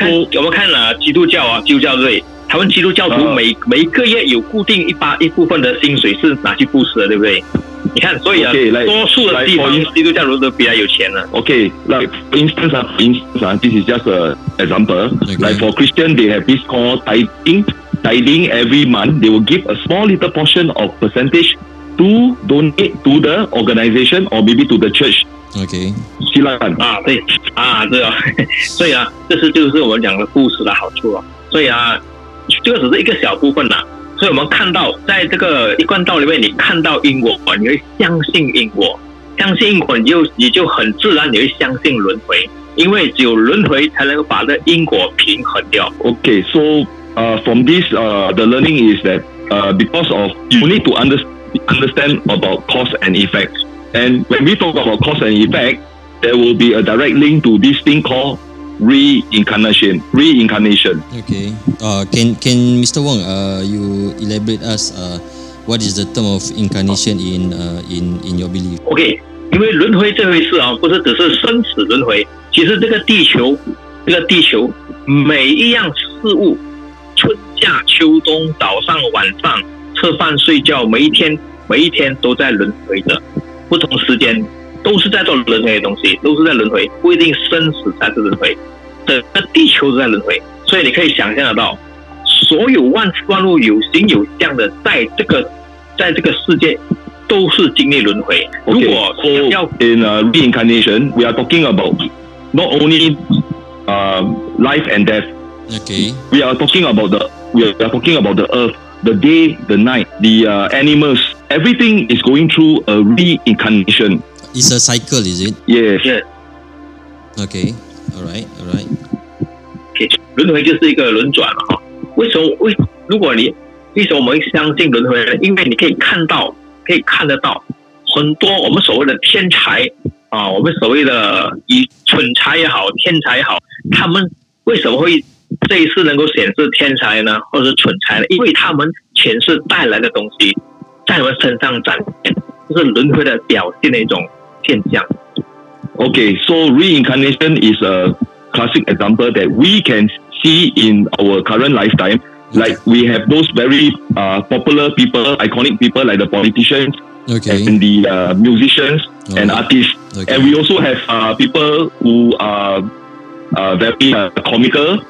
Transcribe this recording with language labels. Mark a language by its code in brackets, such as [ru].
[zh] We看基督教，他们基督教徒每个月有固定一部分的薪水是拿去布施的，对不对？你看，所以啊， [en] okay, like, [zh] 多数的地方 [en] like, [zh] 基督教徒都比较有钱了。 [en] Okay, like for instance, this is just a example. Okay. Like for Christian, they have this called tithing every month. They will give a small little portion of percentage to donate to the organization or maybe to the church. Okay. [zh] 希腊啊，对啊，对啊，所以啊，这是就是我们讲的布施的好处啊。所以啊，这个只是一个小部分啦。所以我们看到在这个一贯道里面，你看到因果，你会相信因果，相信因果你就很自然你会相信轮回，因为只有轮回才能把这因果平衡掉。 [en] OK, so from this the learning is that because of you need to understand about cause and effect, and when we talk about cause and effect, there will be a direct link to this thing called reincarnation. Okay. Can Mr. Wong, you elaborate us what is the term of incarnation in your belief? [zh] Okay, 因为轮回这回事啊，不是只是生死轮回，其实这个地球每一样事物，春夏秋冬，早上晚上，吃饭睡觉，每一天都在轮回的，不同时间都是在做轮回的东西，都是在轮回，不一定生死才是轮回，整个地球都在轮回。所以你可以想象得到，所有万事万物有形有相的在这个世界都是经历轮回。 [en] Okay, [zh] 如果要 [en] so in reincarnation, we are talking about not only life and death. Okay. We are talking about the earth, the day, the night, the animals, everything is going through a reincarnation. It's a cycle, is it? Yes. Okay. All right. Okay. [zh] 轮回就是一个轮转了哈。为什么我们相信轮回呢？因为你可以看得到很多我们所谓的天才啊，我们所谓的以蠢才也好，天才也好，他们为什么会这一次能够显示天才呢，或者是蠢才呢？因为他们前世带来的东西在我们身上展现。就是轮回的表现的一种现象。 [en] Okay, so reincarnation is a classic example that we can see in our current lifetime. Like we have those very popular people, iconic people like the politicians, okay, and the musicians and artists. Okay. And we also have people who are very comical.